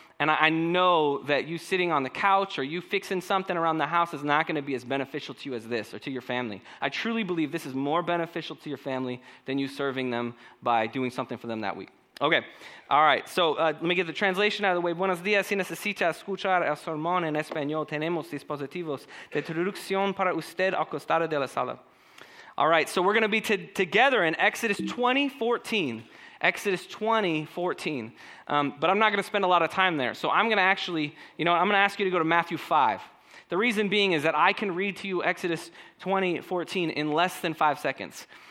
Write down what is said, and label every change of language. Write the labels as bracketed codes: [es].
[en] And I know that you sitting on the couch or you fixing something around the house is not going to be as beneficial to you as this or to your family. I truly believe this is more beneficial to your family than you serving them by doing something for them that week. Okay. All right. So let me get the translation out of the way. [es] Buenos días. Si necesita escuchar el sermón en español, tenemos dispositivos de traducción para usted al costado de la sala. [en] All right. So we're going to be together in Exodus 20:14. Exodus 20:14. But I'm not going to spend a lot of time there. So I'm going to actually, you know, I'm going to ask you to go to Matthew 5. The reason being is that I can read to you Exodus 20:14 in less than 5 seconds.